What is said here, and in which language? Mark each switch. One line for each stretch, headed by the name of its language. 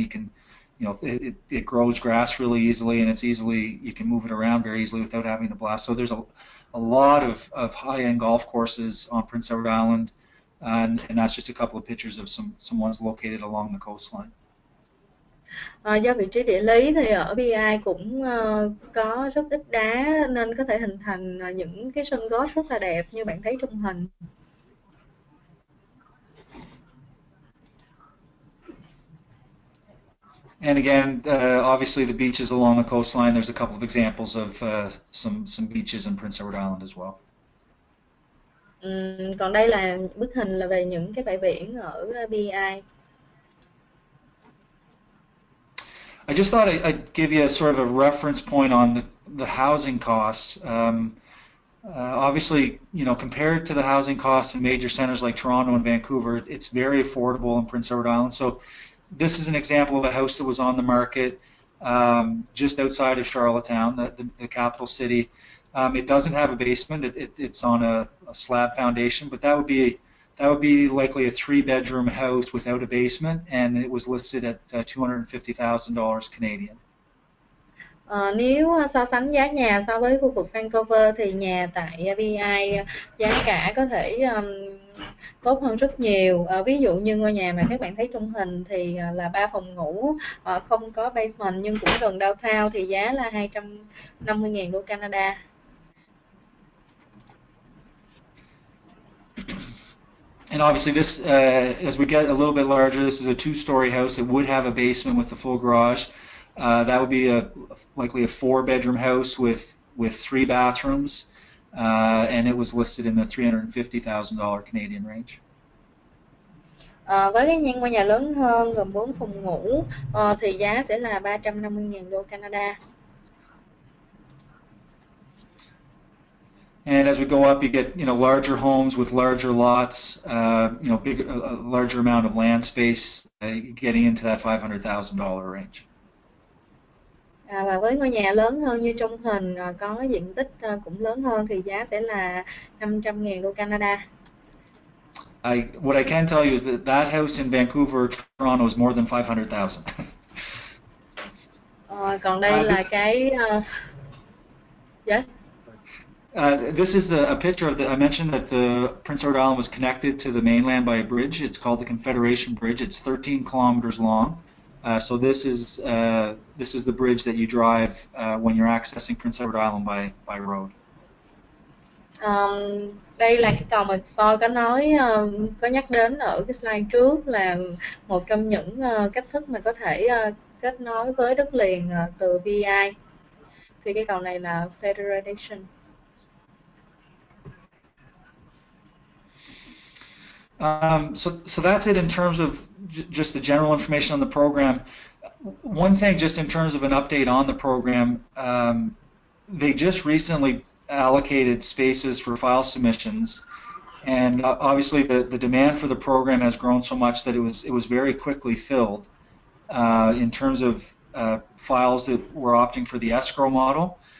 English: You can, you know, it grows grass really easily, and it's easily you can move it around very easily without having to blast. So there's a lot of high end golf courses on Prince Edward Island. And that's just a couple of pictures of some ones located along the coastline.
Vietnamese: Do vị trí địa lý thì ở PEI cũng có rất ít đá nên có thể hình thành những cái sân golf rất là đẹp như bạn thấy trong hình.
English: And again, obviously the beaches along the coastline, there's a couple of examples of some beaches in Prince Edward Island as well.
Vietnamese: Còn đây là bức hình là về những cái bãi biển ở BI.
English: I just thought I'd give you a sort of a reference point on the housing costs. Obviously, you know, compared to the housing costs in major centers like Toronto and Vancouver, it's very affordable in Prince Edward Island. So this is an example of a house that was on the market just outside of Charlottetown, the capital city. It doesn't have a basement. It's on a slab foundation, but that would be likely a three-bedroom house without a basement, and it was listed at $250,000 Canadian.
Vietnamese: Nếu so sánh giá nhà so với khu vực Vancouver thì nhà tại VI giá cả có thể tốt hơn rất nhiều. Ví dụ như ngôi nhà mà các bạn thấy trong hình thì là 3 phòng ngủ, không có basement nhưng cũng gần downtown thì giá là 250.000 đô Canada.
English: And obviously this, as we get a little bit larger, this is a two-story house. It would have a basement with the full garage. That would be likely a four-bedroom house with three bathrooms. And it was listed in the $350,000 Canadian range.
Vietnamese: Với cái ngôi nhà lớn hơn gồm 4 phòng ngủ thì giá sẽ là 350.000 đô Canada.
English: And as we go up, you get, you know, larger homes with larger lots, you know, bigger, a larger amount of land space, getting into that $500,000 range.
Vietnamese: Và với ngôi nhà lớn hơn như trong hình, có diện tích cũng lớn hơn thì giá sẽ là 500.000 đô Canada.
English: What I can tell you is that house in Vancouver, Toronto is more than $500,000.
Vietnamese: Còn đây là cái...
English: Yes? This is a picture of the. I mentioned that the Prince Edward Island was connected to the mainland by a bridge. It's called the Confederation Bridge. It's 13 kilometers long. So this is the bridge that you drive when you're accessing Prince Edward Island by road.
Vietnamese: Đây là cái cầu mà tôi có nói có nhắc đến ở cái slide trước là một trong những cách thức mà có thể kết nối với đất liền từ VI. Thì cái cầu này là Federation.
English: So that's it in terms of just the general information on the program. One thing just in terms of an update on the program, they just recently allocated spaces for file submissions, and obviously the demand for the program has grown so much that it was very quickly filled in terms of files that were opting for the escrow model.